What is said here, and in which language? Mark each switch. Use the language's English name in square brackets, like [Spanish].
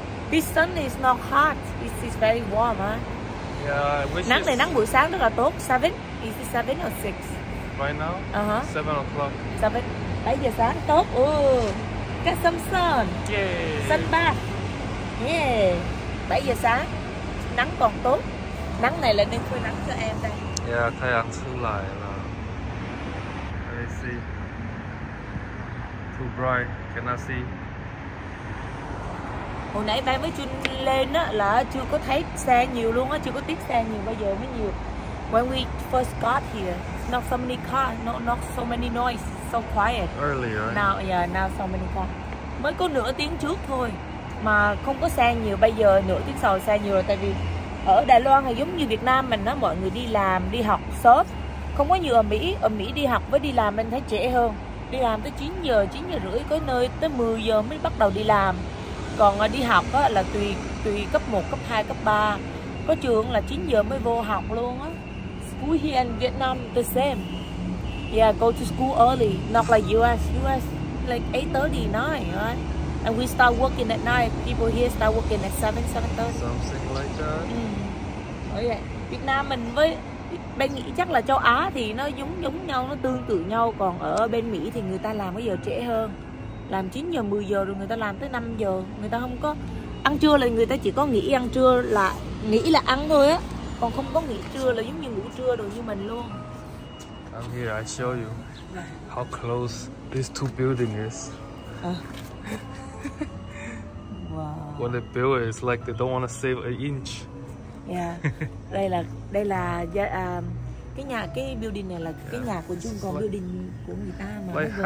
[English] This sun is not hot, it is very warm, huh? Yeah, I wish. [Vietnamese] Nắng này nắng buổi sáng rất là tốt. [English] 7? Is it 7 or 6? Right now? 7 o'clock. [Vietnamese] 7, 7 giờ sáng, tốt. [English] Get some sun. Yay. Sun bath. Yeah. [Vietnamese] 7 giờ sáng, nắng còn tốt. Nắng này là nên phơi nắng cho em đây. Yeah, thay áo xuống lại là. [English] Let me see. Too bright, cannot see. [Vietnamese] Hồi nãy bay với Jun lên á là chưa có thấy xe nhiều luôn á, chưa có tiếng xe nhiều, bây giờ mới nhiều. [English] When we first got here, not so many cars, not so many noise, so quiet. Earlier. Now, yeah, now so many cars. [Vietnamese] Mới có nửa tiếng trước thôi mà không có xe nhiều, bây giờ nửa tiếng sau xe nhiều rồi. Tại vì ở Đài Loan thì giống như Việt Nam mình á, mọi người đi làm, đi học sớm, không có như ở Mỹ. Ở Mỹ đi học với đi làm mình thấy trễ hơn, đi làm tới 9 giờ rưỡi, có nơi tới 10 giờ mới bắt đầu đi làm. Còn đi học á, là tùy cấp 1, cấp 2, cấp 3. Có trường là 9 giờ mới vô học luôn á. [English] School here in Vietnam the same. Yeah, go to school early, not like US. US like 8:30, 9, right? And we start working at night. People here start working at 7, 7:30. Something like that. Ừ. Oh yeah. [Vietnamese] Việt Nam mình với bên nghĩ chắc là châu Á thì nó giống nhau, nó tương tự nhau. Còn ở bên Mỹ thì người ta làm cái giờ trễ hơn. Làm 9 giờ, 10 giờ rồi người ta làm tới 5 giờ. Người ta không có ăn trưa, là người ta chỉ có nghỉ ăn trưa, là nghỉ là ăn thôi á. Còn không có nghỉ trưa, là giống như ngủ trưa rồi như mình luôn. [English] I'm here, I show you how close these two buildings is. Wow. When they build it, it's like they don't want to save an inch. Yeah. [Vietnamese] Đây là cái nhà, cái building này là cái nhà của chung, còn like, building của người ta mà